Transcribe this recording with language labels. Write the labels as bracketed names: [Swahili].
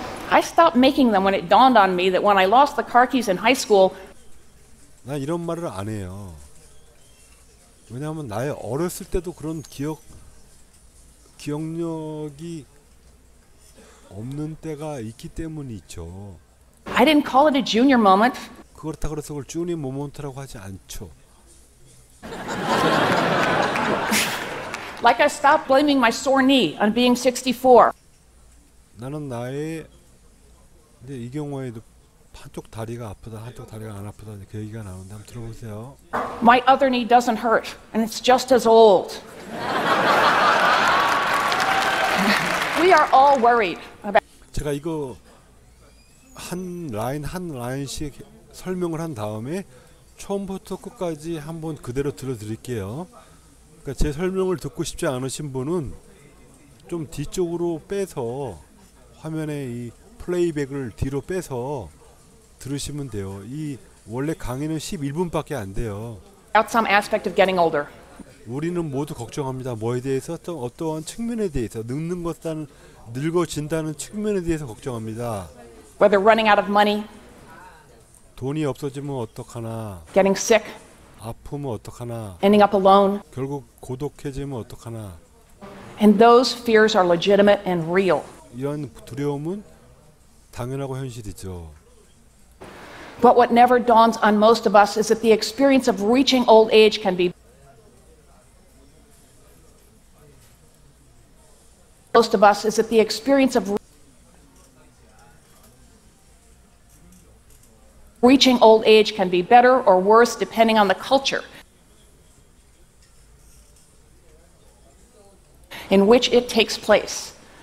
[English] I stopped making them when it dawned on me that when I lost the car keys in high school. [Korean] 나 이런 말을 안 해요. 왜냐하면 나의 어렸을 때도 그런 기억력이 없는 때가 있기 때문이죠. [English] I didn't call it a junior moment. [Korean] 그렇다고 해서 그걸 [English] junior moment [Korean] 라고 하지 않죠. [English] Like I stopped blaming my sore knee on being 64. [Korean] 나는 나의 근데 이 경우에도 한쪽 다리가 아프다, 한쪽 다리가 안 아프다 이렇게 얘기가 나오는데 한번 들어보세요. [English] My other knee doesn't hurt and it's just as old. We are all worried about. [Korean] 제가 이거 한 라인 한 라인씩 설명을 한 다음에 처음부터 끝까지 한번 그대로 들어드릴게요. 그러니까 제 설명을 듣고 싶지 않으신 분은 좀 뒤쪽으로 빼서 화면에 이 플레이백을 뒤로 빼서 들으시면 돼요. 이 원래 강의는 11분밖에 안 돼요. [English] Some aspect of getting older. [Korean] 우리는 모두 걱정합니다. 뭐에 대해서 또 어떠한 측면에 대해서 늙는 것은 늙어진다는 측면에 대해서 걱정합니다. [English] Whether running out of money. [Korean] 돈이 없어지면 어떡하나. [English] Getting sick. [Korean] 아프면 어떡하나. [English] Ending up alone. [Korean] 결국 고독해지면 어떡하나. [English] And those fears are legitimate and real. [Korean] 이런 두려움은 당연하고 현실이죠. [English] But what never dawns on most of us is that the experience of reaching old age can be most of us is that the experience of reaching old age can be better or worse depending on the culture in which it takes place.